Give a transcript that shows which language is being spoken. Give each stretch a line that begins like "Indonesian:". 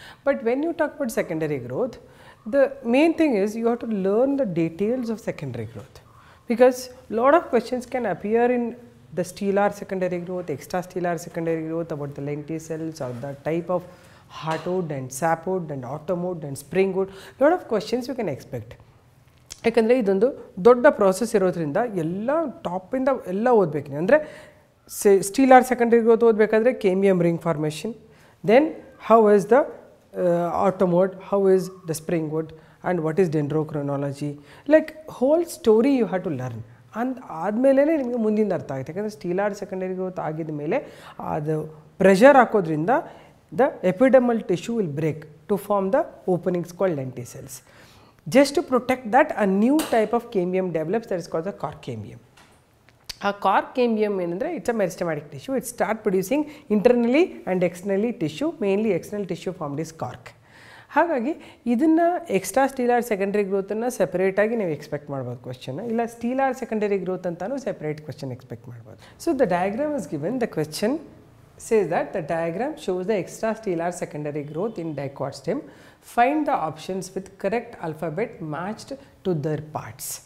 English: But when you talk about secondary growth, the main thing is you have to learn the details of secondary growth. Because lot of questions can appear in the stellar secondary growth, extrastellar secondary growth about the lenticels or the type of heartwood and sapwood and autumnwood and springwood, lot of questions you can expect.
Kannada: ಯಾಕಂದರೆ ಇದೊಂದು ದೊಡ್ಡ process ಇರೋದ್ರಿಂದ ಎಲ್ಲ ಟಾಪಿಂದ ಎಲ್ಲ ಓದಬೇಕು. ಅಂದರೆ
English: stelar secondary growth
Kannada: ಓದಬೇಕಾದ್ರೆ
English: Cambium ring formation, then how is the autumn wood, how is the spring wood, and what is dendrochronology, like whole story you had to learn.
Kannada: ಅಂದ್ ಆದಮೇಲೆ ನಿಮಗೆ ಮುಂದಿನ ಅರ್ಥ ಆಗುತ್ತೆ. ಯಾಕಂದರೆ ಸ್ಟೀಲಾರ್ ಸೆಕೆಂಡರಿ ಗ್ರೋತ್ ಆಗಿದ ಮೇಲೆ ಅದು ಪ್ರೆಷರ್ ಹಾಕೋದ್ರಿಂದ
English: The epidermal tissue will break to form the openings called lenticels. Just to protect that, a new type of cambium develops, that is called the corcambium. A corcambium, it's a meristematic tissue. It starts producing internally and externally tissue. Mainly external tissue formed is cork.
Kannada: ಹಾಗಾಗಿ ಇದನ್ನು extra ಸ್ಟೀಲಾರ್ secondary ಗ್ರೋತನ್ನು ಸೆಪರೇಟಾಗಿ ನೀವು expect ಮಾಡ್ಬೋದು question, ಇಲ್ಲ ಸ್ಟೀಲಾರ್ secondary growth ಅಂತಲೂ separate question expect ಮಾಡ್ಬೋದು.
English: So the diagram is given, the question says that the diagram shows the extra stelar secondary growth in dicot stem, find the options with correct alphabet matched to their parts.